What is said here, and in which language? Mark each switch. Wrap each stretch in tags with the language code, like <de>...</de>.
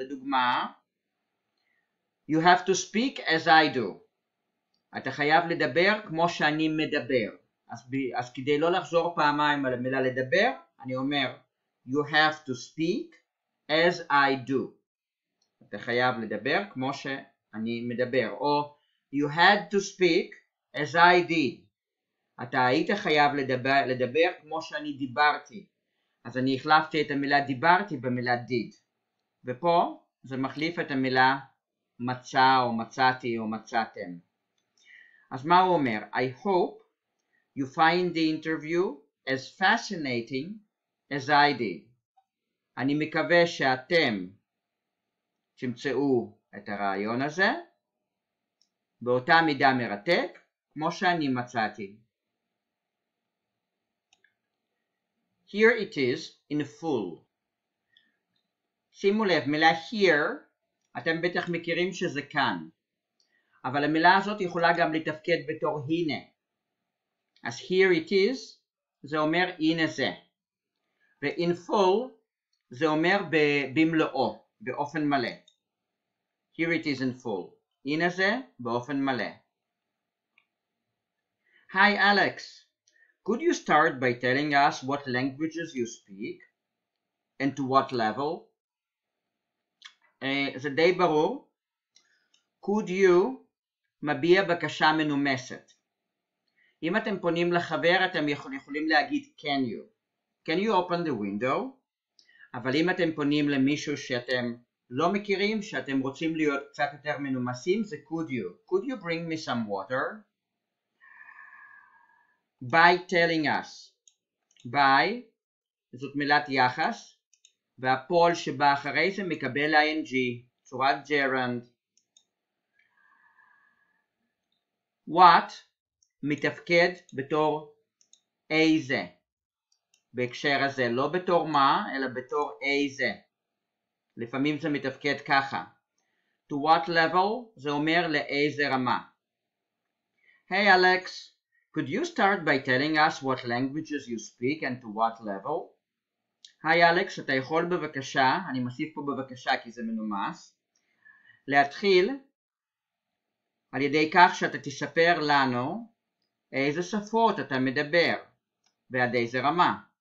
<en>לדוגמה, You have to speak as I do.</en> <he>אתה חייב לדבר כמו שאני מדבר. אז כדי לא לחזור פעמיים על המילה לדבר, אני אומר,</he> <en>You have to speak as I do.</en> <he>אתה חייב לדבר כמו שאני מדבר.</he> <en>או You had to speak as I did.</en> <he>אתה היית חייב לדבר כמו שאני דיברתי. אז אני החלפתי את המילה דיברתי במילה did. ופה זה מחליף את המילה מצא או מצאתי או מצאתם. אז מה הוא אומר?</he> <en>I hope you find the interview as fascinating as I did.</en> <he>אני מקווה שאתם תמצאו את הרעיון הזה באותה מידה מרתק כמו שאני מצאתי.</he> <en>Here it is in full.</en> <he>שימו לב, מילה here, אתם בטח מכירים שזה כאן. אבל המילה הזאת יכולה גם לתפקד בתור הנה. אז</he> <en>here it is,</en> <he>זה אומר הנה זה. ו-in full, זה אומר במלואו, באופן מלא.</he> <en>Here it is in full.</en> <he>הנה זה, באופן מלא.</he> <en>Hi Alex. Could you start by telling us what languages you speak and to what level?</en> <he>זה די ברור.</he> <en>Could you</en> <he>מביע בקשה מנומסת. אם אתם פונים לחבר, אתם יכולים להגיד</he> <en>can you. Can you open the window?</en> <he>אבל אם אתם פונים למישהו שאתם לא מכירים, שאתם רוצים להיות קצת יותר מנומסים, זה</he> <en>could you. Could you bring me some water? By telling us.</en> <he>By, זאת מילת יחס, והפועל שבא אחרי זה מקבל ING, צורת gerund. What מתפקד בתור איזה. בהקשר הזה, לא בתור מה, אלא בתור איזה. לפעמים זה מתפקד ככה.</he> <en>To what level</en> <he>זה אומר לאיזה רמה.</he> <en>Hey Alex. Could you start by telling us what languages you speak and to what level?</en> <he>Hi Alex, אתה יכול בבקשה, אני מוסיף פה בבקשה כי זה מנומס, להתחיל על ידי כך שאתה תספר לנו איזה שפות אתה מדבר ועד איזה רמה.</he>